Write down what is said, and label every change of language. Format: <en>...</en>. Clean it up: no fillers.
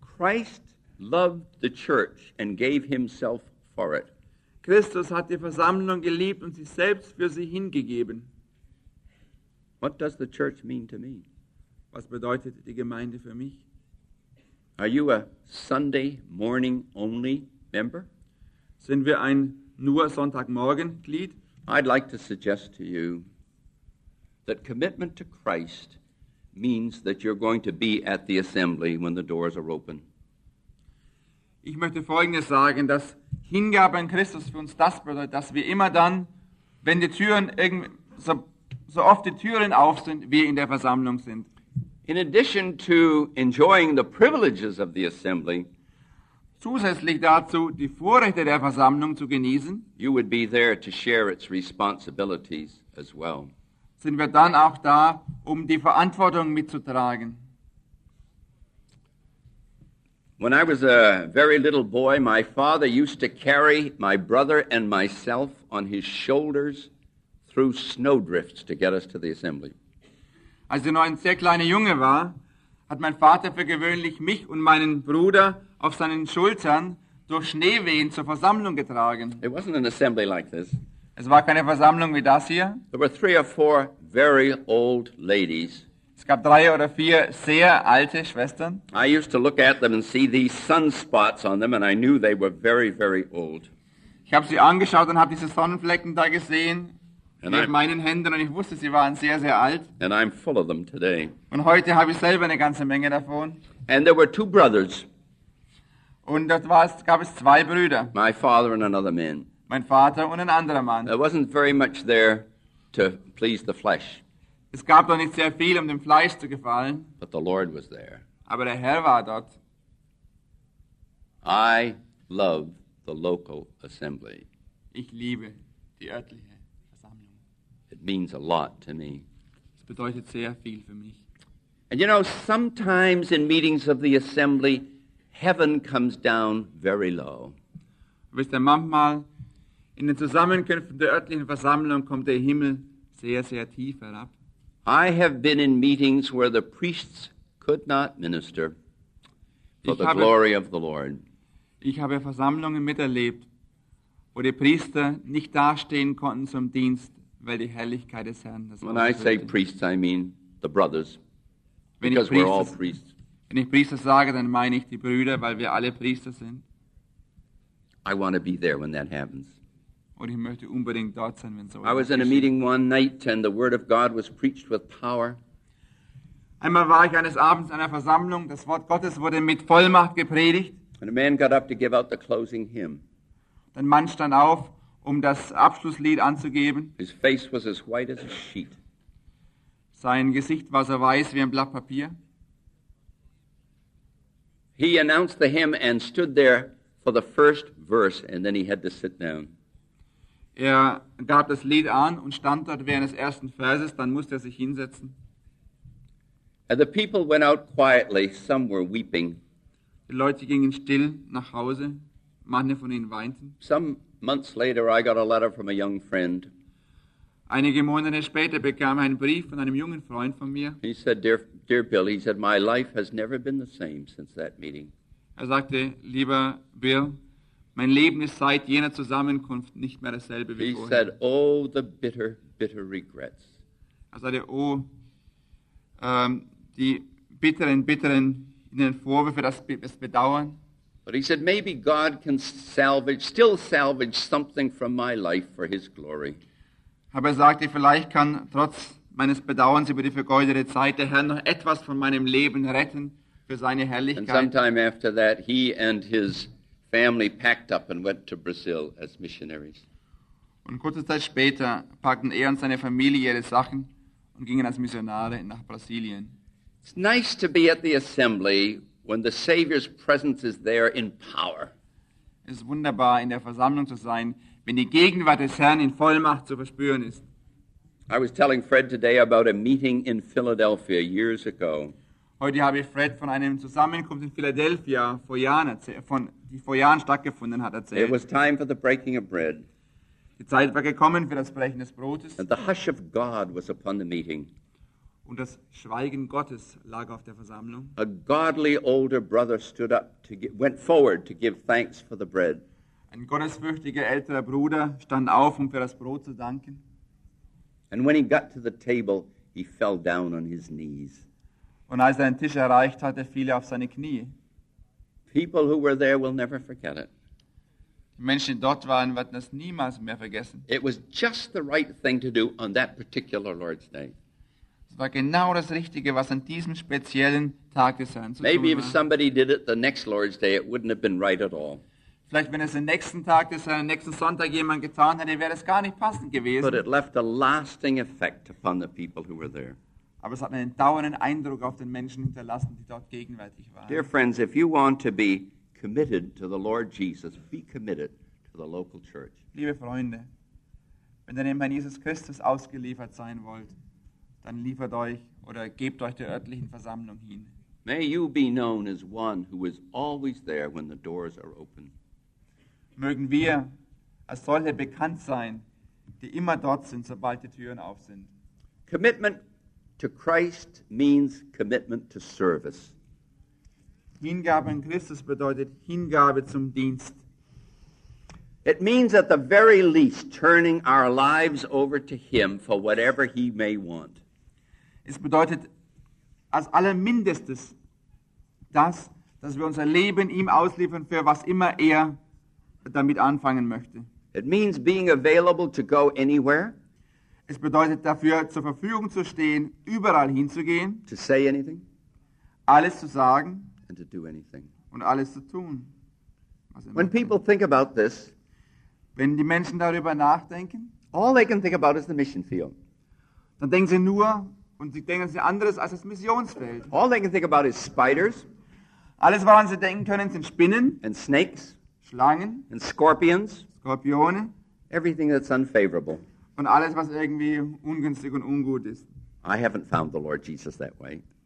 <en>Christ loved the church and gave himself for it.</en> <de>Christus hat die Versammlung geliebt und sich selbst für sie hingegeben.</de> <en>What does the church mean to me?</en> <de>Was bedeutet die Gemeinde für mich?</de> <en>Are you a Sunday morning only member?</en> <de>Sind wir ein nur Sonntagmorgen Glied?</de> <en>I'd like to suggest to you that commitment to Christ means that you're going to be at the assembly when the doors are open.</en> <de>Ich möchte Folgendes sagen, dass Hingabe an Christus für uns das bedeutet, dass wir immer dann, wenn die Türen irgendwie, so, so oft die Türen auf sind, wir in der Versammlung sind.</de> <en>In addition to enjoying the privileges of the assembly,</en> <de>zusätzlich dazu, die Vorrechte der Versammlung zu genießen,</de> <en>you would be there to share its responsibilities as well.</en> <de>Sind wir dann auch da, um die Verantwortung mitzutragen.</de> <en>When I was a very little boy, my father used to carry my brother and myself on his shoulders through snowdrifts to get us to the assembly.</en> <de>Als ich noch ein sehr kleiner Junge war, hat mein Vater für gewöhnlich mich und meinen Bruder auf seinen Schultern durch Schneewehen zur Versammlung getragen.</de> <en>It wasn't an assembly like this.</en> <de>Es war keine Versammlung wie das hier.</de> <en>There were three or four very old ladies.</en> <de>Es gab drei oder vier sehr alte Schwestern.</de> <en>I used to look at them and see these sunspots on them, and I knew they were very, very old.</en> <de>Ich habe sie angeschaut und habe diese Sonnenflecken da gesehen mit meinen Händen, und ich wusste, sie waren sehr, sehr alt.</de> <en>And I'm full of them today.</en> <de>Und heute habe ich selber eine ganze Menge davon.</de> <en>And there were two brothers.</en> <de>Und das war, gab es zwei Brüder.</de> <en>My father and another man.</en> <de>Mein Vater und ein anderer Mann.</de> <en>There wasn't very much there to please the flesh.</en> <de>Es gab doch nicht sehr viel, um dem Fleisch zu gefallen.</de> <en>But the Lord was there.</en> <de>Aber der Herr war dort.</de> <en>I love the local assembly.</en> <de>Ich liebe die örtliche Versammlung.</de> <en>It means a lot to me.</en> <de>Es bedeutet sehr viel für mich.</de> <en>And you know, sometimes in meetings of the assembly, heaven comes down very low.</en> <de>Wisst ihr, manchmal in den Zusammenkünften der örtlichen Versammlung kommt der Himmel sehr, sehr tief herab.</de> <en>I have been in meetings where the priests could not minister for the glory of the Lord.</en> <de>Ich habe Versammlungen miterlebt, wo die Priester nicht dastehen konnten zum Dienst, weil die Herrlichkeit des Herrn das ausfüllte.</de> <en>When I say priests, I mean the brothers, because we're all priests.</en> <de>Wenn ich Priester sage, dann meine ich die Brüder, weil wir alle Priester sind.</de> <en>I want to be there when that happens.</en> <de>Und ich möchte unbedingt dort sein, wenn so</de> <en>I was in a meeting one night and the word of God was preached with power.</en> <de>Einmal war ich eines Abends in einer Versammlung, das Wort Gottes wurde mit Vollmacht gepredigt.</de> <en>And a man got up to give out the closing hymn.</en> <de>Ein Mann stand auf, um das Abschlusslied anzugeben.</de> <en>His face was as white as a sheet.</en> <de>Sein Gesicht war so weiß wie ein Blatt Papier.</de> <en>He announced the hymn and stood there for the first verse, and then he had to sit down.</en> <de>Er gab das Lied an und stand dort während des ersten Verses, dann musste er sich hinsetzen.</de> <en>And the people went out quietly, some were weeping.</en> <de>Die Leute gingen still nach Hause, manche von ihnen weinten.</de> <en>Some months later I got a letter from a young friend.</en> <de>Einige Monate später bekam er einen Brief von einem jungen Freund von mir.</de> <en>He said, dear Bill, he said, my life has never been the same since that meeting.</en> <de>Er sagte, lieber Bill, mein Leben ist seit jener Zusammenkunft nicht mehr dasselbe wie vorher.</de> <en>He said, oh, the bitter, bitter regrets.</en> <de>Er sagte, oh, die bitteren, bitteren in den Vorwürfe, das Bedauern.</de> <en>But he said, maybe God can still salvage something from my life for his glory.</en> <de>Aber er sagte, vielleicht kann trotz meines Bedauerns über die vergeudete Zeit der Herr noch etwas von meinem Leben retten für seine Herrlichkeit.</de> <en>And sometime after that, he and his family packed up and went to Brazil as missionaries.</en> <de>Und kurze Zeit später packten er und seine Familie ihre Sachen und gingen als Missionare nach Brasilien.</de> <en>It's nice to be at the assembly when the Savior's presence is there in power.</en> <de>Es ist wunderbar, in der Versammlung zu sein, wenn die Gegenwart des Herrn in Vollmacht zu verspüren ist.</de> <en>I was telling Fred today about a meeting in Philadelphia years ago.</en> <de>Heute habe ich Fred von einem Zusammenkunft in Philadelphia vor Jahren die vor Jahren stattgefunden hat, erzählt.</de> <en>It was time for the breaking of bread.</en> <de>Die Zeit war gekommen für das Brechen des Brotes.</de> <en>And the hush of God was upon the meeting.</en> <de>Und das Schweigen Gottes lag auf der Versammlung.</de> <en>A godly older brother stood up to went forward to give thanks for the bread.</en> <de>Ein gottesfürchtiger älterer Bruder stand auf, um für das Brot zu danken.</de> <en>And when he got to the table, he fell down on his knees.</en> <de>Und als er den Tisch erreicht hatte, fiel er auf seine Knie.</de> <en>People who were there will never forget it.</en> <de>Die Menschen, die dort waren, werden das niemals mehr vergessen.</de> <en>It was just the right thing to do on that particular Lord's Day.</en> <de>Es war genau das Richtige, was an diesem speziellen Tag des Herrn zu tun war.</de> <en>Maybe if somebody did it the next Lord's Day, it wouldn't have been right at all.</en> <de>Vielleicht wenn es den nächsten Tag des Herrn, nächsten Sonntag jemand getan hätte, wäre es gar nicht passend gewesen.</de> <en>But it left a lasting effect upon the people who were there.</en> <de>Aber es hat einen dauernden Eindruck auf den Menschen hinterlassen, die dort gegenwärtig waren.</de> <en>Dear friends, if you want to be committed to the Lord Jesus, be committed to the local church.</en> <de>Liebe Freunde, wenn ihr dem Herrn Jesus Christus ausgeliefert sein wollt, dann liefert euch oder gebt euch der örtlichen Versammlung hin.</de> <en>May you be known as one who is always there when the doors are open.</en> <de>Mögen wir als solche bekannt sein, die immer dort sind, sobald die Türen auf sind.</de> <en>Commitment to Christ means commitment to service.</en> <de>Hingabe an Christus bedeutet Hingabe zum Dienst.</de> <en>It means at the very least turning our lives over to him for whatever he may want.</en> <de>Es bedeutet als allermindestes das, dass wir unser Leben ihm ausliefern für was immer er damit anfangen möchte.</de> <en>It means being available to go anywhere.</en> <de>Es bedeutet dafür zur Verfügung zu stehen, überall hinzugehen.</de> <en>To say anything.</en> <de>Alles zu sagen.</de> <en>And to do anything.</en> <de>Und alles zu tun.</de> <en>When people think about this,</en> <de>wenn die Menschen darüber nachdenken,</de> <en>all they can think about is the mission field.</en> <de>Dann denken sie nur und sie denken sie anderes als das Missionsfeld.</de> <en>All they can think about is spiders.</en> <de>Alles woran sie denken können sind Spinnen.</de> <en>And snakes.</en> <de>Schlangen.</de> <en>And scorpions.</en> <de>Skorpione.</de> <en>Everything that's unfavorable.</en> <de>Und alles, was irgendwie ungünstig und ungut ist.</de> <en>I haven't found the Lord Jesus that way.</en>